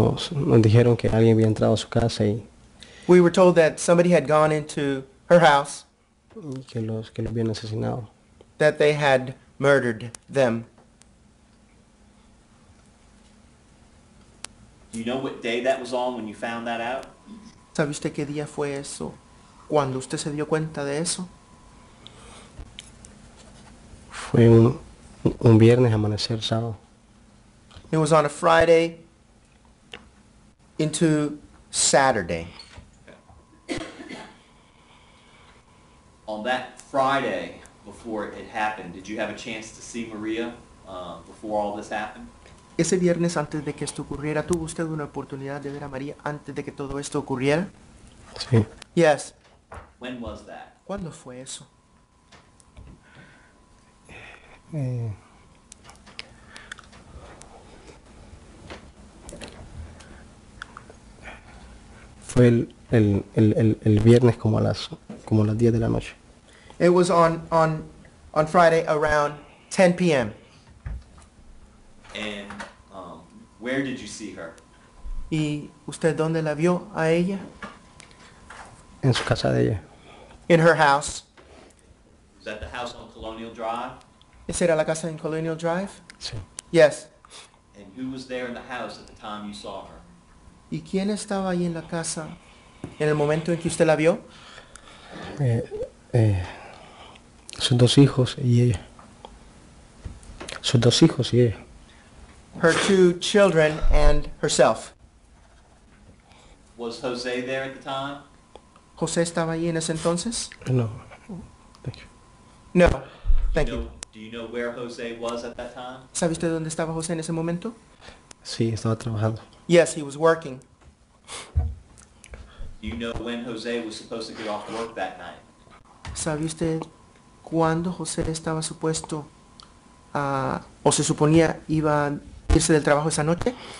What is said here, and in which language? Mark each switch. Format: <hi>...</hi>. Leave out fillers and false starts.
<es>Nos dijeron que alguien había entrado a su casa y...</es> <en>We were told that somebody had gone into her house.</en> <es>Y que los habían asesinado.</es> <en>That they had murdered them. Do you know what day that was on when you found that out?</en> <es>¿Sabe usted qué día fue eso? ¿Cuándo usted se dio cuenta de eso? Fue un viernes amanecer sábado.</es> <en>It was on a Friday into Saturday. On that Friday before it happened, did you have a chance to see Maria before all this happened?</en> <es>Ese viernes antes de que esto ocurriera, ¿tuvo usted una oportunidad de ver a María antes de que todo esto ocurriera? Sí.</es> <en>Yes. When was that?</en> <es>¿Cuándo fue eso? Fue el viernes como a las 10 de la noche.</es> <en>It was on Friday around 10 p.m. And where did you see her?</en> <es>¿Y usted dónde la vio a ella? En su casa de ella.</es> <en>In her house. Is that the house on Colonial Drive?</en> <es>¿Esa era la casa en Colonial Drive? Sí.</es> <en>Yes. And who was there in the house at the time you saw her?</en> <es>¿Y quién estaba ahí en la casa en el momento en que usted la vio? Sus dos hijos y ella. Sus dos hijos y ella.</es> <en>Her two children and herself. Was Jose there at the time?</en> <es>Jose estaba allí en ese entonces?</es> <en>No. Thank you. No. Thank you. Do you know where Jose was at that time?</en> <es>¿Sabe usted dónde estaba Jose en ese momento? Sí, estaba trabajando.</es> <en>Yes, he was working. Do you know when Jose was supposed to get off work that night?</en> <es>¿Sabe usted cuándo Jose estaba supuesto o se suponía iba a irse del trabajo esa noche?</es>